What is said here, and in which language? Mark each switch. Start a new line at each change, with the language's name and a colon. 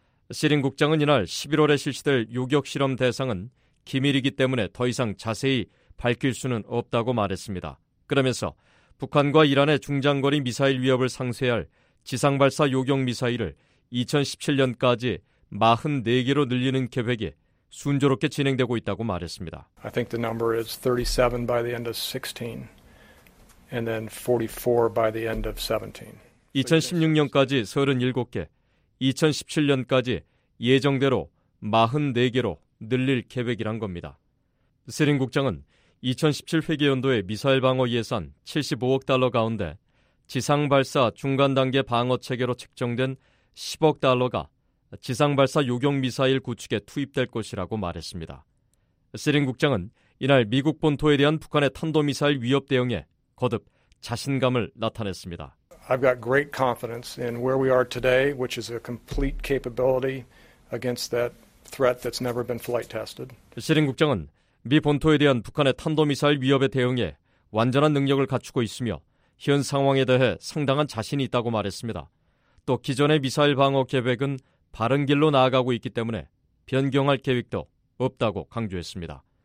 Korean: 시린 국장은 이날 11월에 실시될 요격 실험 대상은 기밀이기 때문에 더 이상 자세히 밝힐 수는 없다고 말했습니다. 그러면서 북한과 이란의 중장거리 미사일 위협을 상쇄할 지상발사 요격미사일을 2017년까지 44개로 늘리는 계획이 순조롭게 진행되고 있다고 말했습니다.
English: I think the number is 37 by the end of 16 and then 44 by the end of 17.
Korean: 2016년까지 37개, 2017년까지 예정대로 44개로 늘릴 계획이란 겁니다. 스린 국장은 2017 회계연도의 미사일 방어 예산 75억 달러 가운데 지상발사 중간단계 방어체계로 책정된 10억 달러가 지상발사 요격미사일 구축에 투입될 것이라고 말했습니다. 시린 국장은 이날 미국 본토에 대한 북한의 탄도미사일 위협 대응에 거듭 자신감을 나타냈습니다.
English: I've got great confidence in where we are today, which is a complete capability against that threat that's never been flight tested.
Korean: 시린 국장은 미 본토에 대한 북한의 탄도미사일 위협에 대응해 완전한 능력을 갖추고 있으며 현 상황에 대해 상당한 자신이 있다고 말했습니다. 또 기존의 미사일 방어 계획은 바른 길로 나아가고 있기 때문에 변경할 계획도 없다고 강조했습니다.